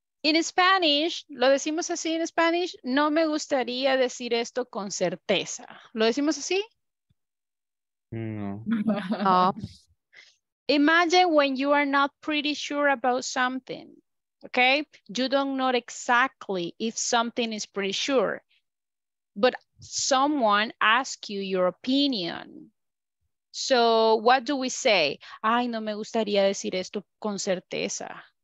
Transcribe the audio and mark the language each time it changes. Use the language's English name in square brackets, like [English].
[English] In Spanish, [Spanish] lo decimos así [English] in Spanish, [Spanish] no me gustaría decir esto con certeza. ¿Lo decimos así? No. Oh. [English] Imagine when you are not pretty sure about something. Okay, you don't know exactly if something is pretty sure, but someone asks you your opinion. So what do we say? [Spanish] Ay, no me gustaría decir esto con certeza.